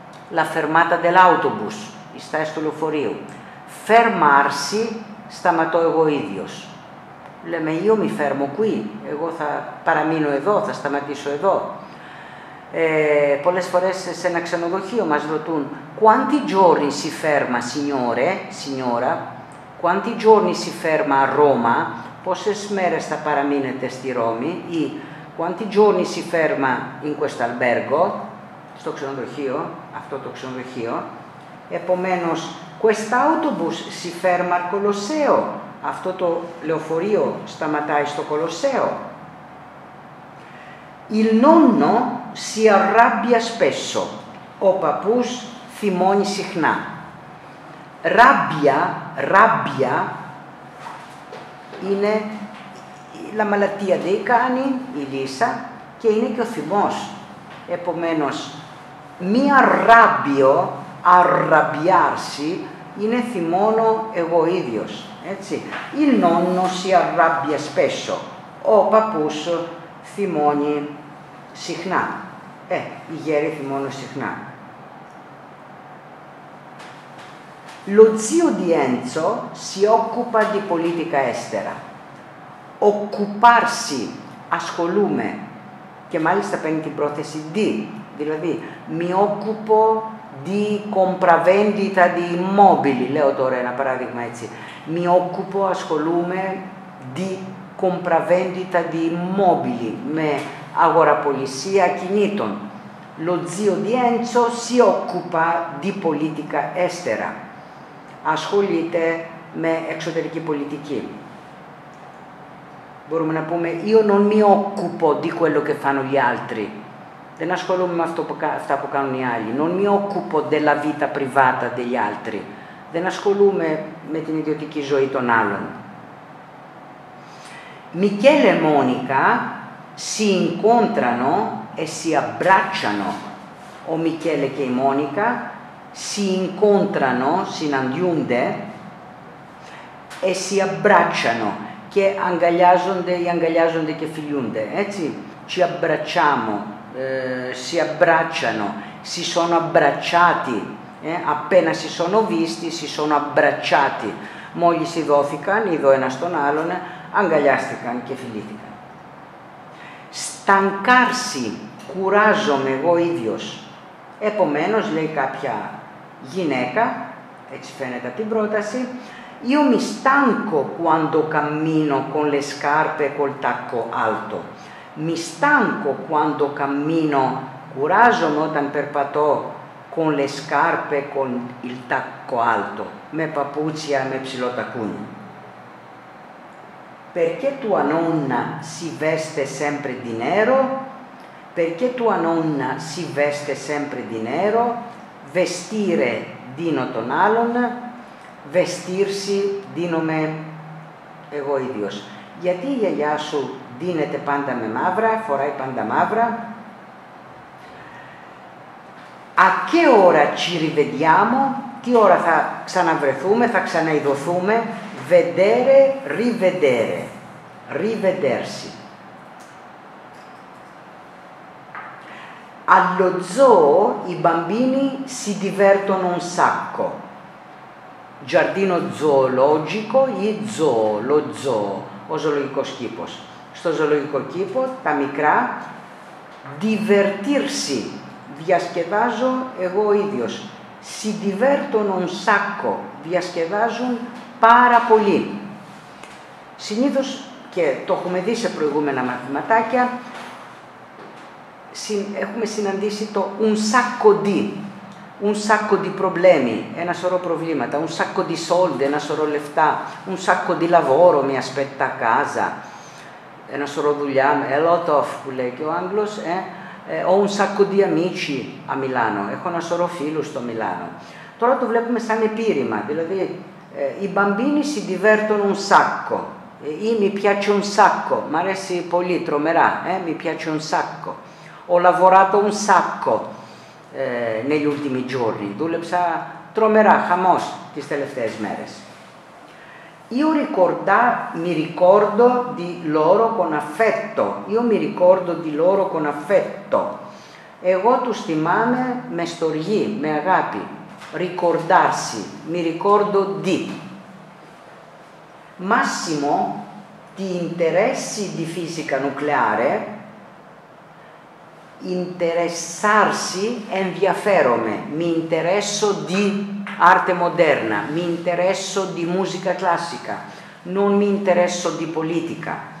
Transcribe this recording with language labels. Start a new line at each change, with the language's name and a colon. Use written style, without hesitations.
Italian: La fermata dell'autobus,
Greek: η στάση του λεωφορείου. Fermarsi, σταματώ εγώ ίδιος. Λέμε,
Italian: io mi fermo qui,
Greek: εγώ θα παραμείνω εδώ, θα σταματήσω εδώ. Πολλές φορές σε ένα ξενοδοχείο μας ρωτούν
Italian: «Quanti giorni si ferma, signore, signora? Quanti giorni si ferma a Roma?
Greek: Πόσες μέρες θα παραμείνετε στη Ρώμη?»
Italian: ή «Quanti giorni si ferma in questo albergo?»
Greek: Στο ξενοδοχείο, αυτό το ξενοδοχείο. Επομένως,
Italian: «Quest'autobus si ferma al Colosseo?»
Greek: Αυτό το λεωφορείο σταματάει στο Κολοσσέο.
Italian: «Il nonno si arrabbia spesso»,
Greek: ο παππούς θυμώνει συχνά. «Rabbia», «rabbia» είναι
Italian: la malattia dei cani,
Greek: η λύσα, και είναι και ο θυμός. Επομένως, «mi arrabbio», «arrabbiarsi», είναι θυμώνω εγώ ίδιος, έτσι.
Italian: «Il nonno si arrabbia spesso»,
Greek: ο παππούς θυμώνει συχνά. Οι γέροι θυμώνω συχνά.
Italian: Lo zio di Enzo si occupa di politica estera.
Greek: Occuparsi, ασχολούμαι, και μάλιστα παίρνει την πρόθεση di, Δηλαδή,
Italian: mi occupo di compravendita di immobili,
Greek: λέω τώρα ένα παράδειγμα έτσι.
Italian: Mi occupo,
Greek: ασχολούμαι,
Italian: di compravendita di immobili,
Greek: με αγοραπολισία ακινήτων.
Italian: Lo zio di Enzo si occupa di politica estera.
Greek: Ασχολείται με εξωτερική πολιτική. Μπορούμε να πούμε,
Italian: io non mi occupo di quello che fanno gli altri.
Greek: Δεν ασχολούμαι με αυτά που κάνουν οι άλλοι.
Italian: Non mi occupo della vita privata degli altri.
Greek: Δεν ασχολούμαι με την ιδιωτική ζωή των άλλων.
Italian: Michele e Monica si incontrano e si abbracciano. O Michele και η Monica si incontrano,
Greek: συναντιούνται
Italian: e si abbracciano.
Greek: Και αγκαλιάζονται ή αγκαλιάζονται και φιλιούνται, έτσι.
Italian: Ci abbracciamo, si abbracciano, si sono abbracciati. Appena si sono visti, si sono abbracciati.
Greek: Μόλις si δόθηκαν, είδω ένα στον άλλον, αγκαλιάστηκαν και φιλήθηκαν. Στανκάρσι, κουράζομαι εγώ ίδιος. Επομένως, λέει κάποια γυναίκα, έτσι φαίνεται από την πρόταση,
Italian: io mi stanco quando cammino con le scarpe col tacco alto. Mi stanco quando cammino,
Greek: κουράζομαι όταν περπατώ
Italian: con le scarpe con il tacco alto,
Greek: με παπούτσια με ψηλό τακούνι.
Italian: Perché tua nonna si veste sempre di nero? Perché tua nonna si veste sempre di nero?
Greek: Vestire, dino τον άλλον. Vestirsi, δίνομαι εγώ ίδιος. Γιατί η γιαγιά σου δίνεται πάντα με μαύρα, φοράει πάντα μαύρα.
Italian: A che ora ci rivediamo,
Greek: τι ώρα θα ξαναβρεθούμε, θα ξαναειδωθούμε.
Italian: Vedere, rivedere, rivedersi. Allo zoo i bambini si divertono un sacco. Giardino zoologico ή zoo, lo zoo,
Greek: ο ζωολογικός κήπος. Στο ζωολογικό κήπο, τα μικρά, divertirsi, διασκεδάζω εγώ ίδιος.
Italian: Si divertono un sacco,
Greek: διασκεδάζουν πάρα πολύ. Συνήθως, και το έχουμε δει σε προηγούμενα μαθηματάκια, έχουμε συναντήσει το un sacco di.
Italian: Un sacco di problemi,
Greek: ένα σωρό προβλήματα,
Italian: un sacco di soldi,
Greek: ένα σωρό λεφτά,
Italian: un sacco di lavoro, mi aspetta a casa,
Greek: ένα σωρό δουλειά,
English: a lot of,
Greek: που λέει και ο Άγγλος,
Italian: ho un sacco di amici a Milano,
Greek: έχω ένα σωρό φίλους στο Μιλάνο. Τώρα το βλέπουμε σαν επίρρημα, δηλαδή, οι
Italian: bambini si divertono un sacco, ή mi piace un sacco,
Greek: μ' αρέσει πολύ, τρομερά,
Italian: mi piace un sacco, ho lavorato un sacco, negli ultimi giorni.
Greek: Δούλεψα τρομερά, χαμός, τις τελευταίες μέρες.
Italian: Io ricorda, mi ricordo di loro con affetto. Io mi ricordo di loro con affetto.
Greek: Εγώ τους θυμάμαι με στοργή, με αγάπη.
Italian: Ricordarsi, mi ricordo di. Massimo, ti interessi di fisica nucleare? Interessarsi,
Greek: ενδιαφέρομαι,
Italian: mi interesso di arte moderna, mi interesso di musica classica, non mi interesso di politica.